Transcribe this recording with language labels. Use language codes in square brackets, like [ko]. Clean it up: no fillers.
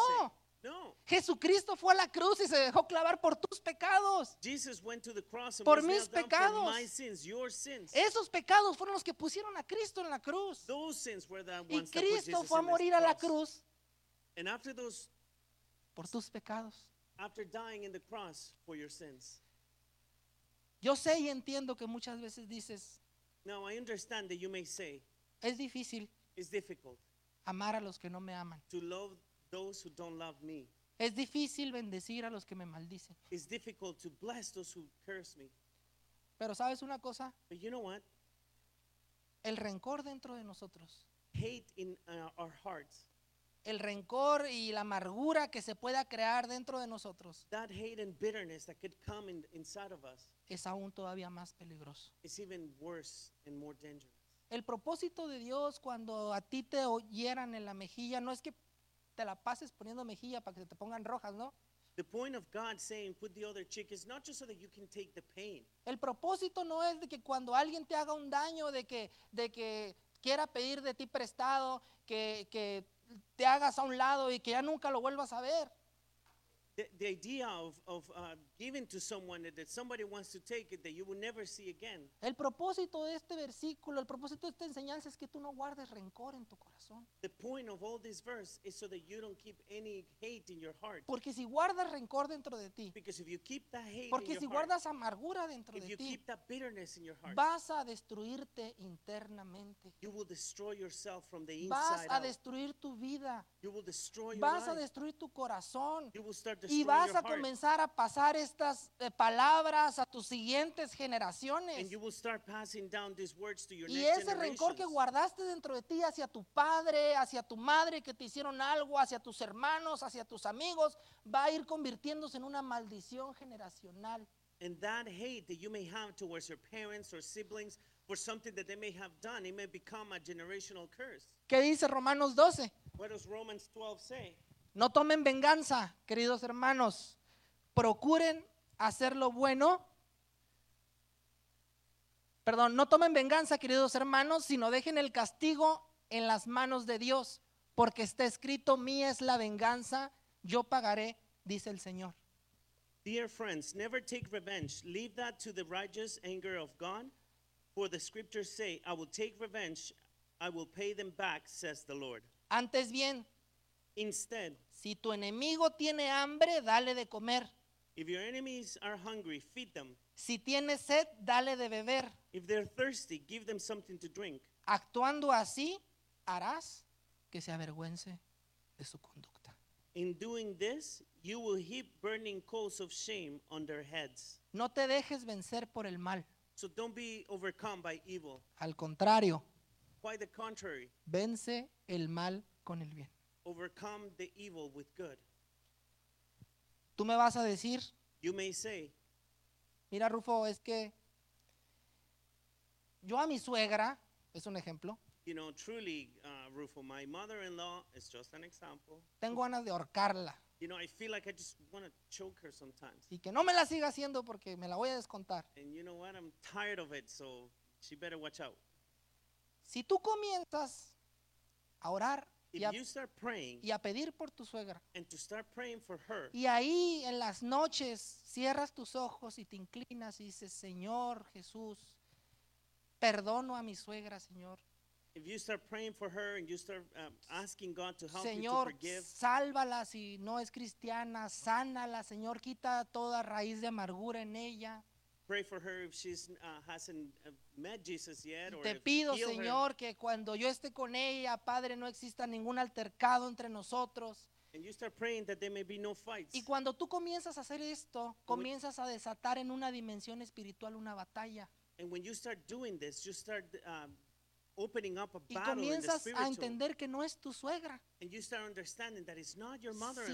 [en] You may say. No. [es] Jesucristo fue a la cruz y se dejó clavar por tus pecados. [en] Jesus went to the cross and [es] por mis pecados. [en] For my sins, your sins. [es] Esos pecados fueron los que pusieron a Cristo en la cruz. [en] Those sins were the ones [es] y Cristo fue a morir a la cruz. [en] And after those, [es] por tus pecados. [en] After dying in the cross for your sins. [es] Yo sé y entiendo que muchas veces dices. [en] Now I understand that you may say. [es] Es difícil. [en] It's difficult. [es] Amar a los que no me aman. [en] To love those who don't love me. [es] Es difícil bendecir a los que me maldicen. [en] It's difficult to bless those who curse me. [es] Pero sabes una cosa? [en] But you know what? [es] El rencor dentro de nosotros. [en] hate in our hearts. [es] El rencor y la amargura que se pueda crear dentro de nosotros. [en] That hate and bitterness that could come inside of us. [es] Es aún todavía más peligroso. [en] It's even worse and more dangerous. [es] El propósito de Dios cuando a ti te oyeran en la mejilla no es que te la pases poniendo mejilla para que se te pongan rojas, ¿no? [en] The point of God saying put the other cheek is not just so that you can take the pain. [es] El propósito no es de que cuando alguien te haga un daño, de que quiera pedir de ti prestado, que te hagas a un lado y que ya nunca lo vuelvas a ver. [en] The idea of giving to someone that somebody wants to take it that you will never see again. [es] El propósito de este versículo, el propósito de esta enseñanza es que tú no guardes rencor en tu corazón. [en] The point of all this verse is so that you don't keep any hate in your heart. [es] Porque si guardas rencor dentro de ti. [en] Because if you keep that hate in your heart. [es] Si guardas amargura dentro de ti. [en] If you keep that bitterness in your heart. [es] Vas a destruirte internamente. [en] You will destroy yourself from the inside. [es] Vas a destruir tu vida. [en] You will destroy your [es] vas Vas a destruir tu corazón. [en] You will start [es] y vas a comenzar a pasar estas palabras a tus siguientes generaciones. [en] And you will start passing down these words to your [es] y ese rencor que guardaste dentro de ti hacia tu padre, hacia tu madre que te hicieron algo, hacia tus hermanos, hacia tus amigos, va a ir convirtiéndose en una maldición generacional. [en] And that hate that you may have towards your parents or siblings for something that they may have done, it may become a generational curse. [es] ¿Qué dice Romanos 12? [en] What does Romans 12 say? [es] No tomen venganza, queridos hermanos. Procuren hacer lo bueno. Perdón, no tomen venganza, queridos hermanos, sino dejen el castigo en las manos de Dios, porque está escrito, mía es la venganza, yo pagaré, dice el Señor. [en] Dear friends, never take revenge. Leave that to the righteous anger of God. For the scriptures say, I will take revenge, I will pay them back, says the Lord. [es] Antes bien, [en] instead, [es] si tu enemigo tiene hambre, dale de comer. [en] If your enemies are hungry, feed them. [es] Si tiene sed, dale de beber. [en] If they're thirsty, give them something to drink. [es] Actuando así, harás que se avergüence de su conducta. [en] In doing this, you will heap burning coals of shame on their heads. [es] No te dejes vencer por el mal. [en] So don't be overcome by evil. [es] Al contrario, [en] quite the contrary. [es] Vence el mal con el bien. [en] Overcome the evil with good. [es] Tú me vas a decir. [en] You may say. [es] Mira, Rufo, es que yo a mi suegra es un ejemplo. [en] You know, truly, Rufo, my mother-in-law is just an example. [es] Tengo ganas de ahorcarla. [en] You know, I feel like I just want to choke her sometimes. [es] Y que no me la siga haciendo porque me la voy a descontar. [en] And you know what? I'm tired of it, so she better watch out. [es] Si tú comienzas a orar. [en] If you start praying, [es] y a pedir por tu suegra, [en] and to start praying for her, [es] y ahí en las noches cierras tus ojos y te inclinas y dices, Señor Jesús, perdono a mi suegra, Señor. [en] If you start praying for her and you start asking God to help [es] Señor, [en] you to forgive, [es] sálvala si no es cristiana, sánala, Señor, quita toda raíz de amargura en ella. [en] Pray for her if she hasn't met Jesus yet. [es] Te pido, Señor, que cuando yo esté con ella, Padre, no exista ningún altercado entre nosotros. [en] And you start praying that there may be no fights. [es] Y cuando tú comienzas a hacer esto, comienzas a desatar en una dimensión espiritual una batalla. [en] And when you start doing this, you start opening up a battle in the spiritual. [es] Y comienzas a entender que no es tu suegra. [en] And you start understanding that it's not your mother-in-law.